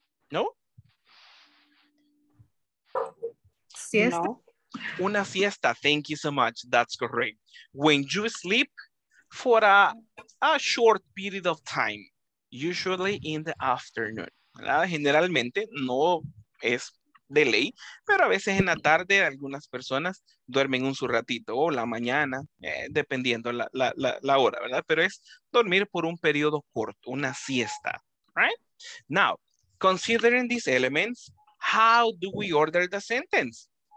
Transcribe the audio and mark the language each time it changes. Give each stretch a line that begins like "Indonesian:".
Spanish: ¿No? Siesta. No. Una siesta.
English: Thank you so much. That's correct. When you sleep for a short period of time, usually in the afternoon.
Spanish: ¿Verdad? Generalmente no es de ley, pero a veces en la tarde algunas personas duermen un su ratito o la mañana, dependiendo la hora, ¿verdad? Pero es dormir por un periodo corto, una siesta, right?
English: Now, considering these elements, how do we order the sentence?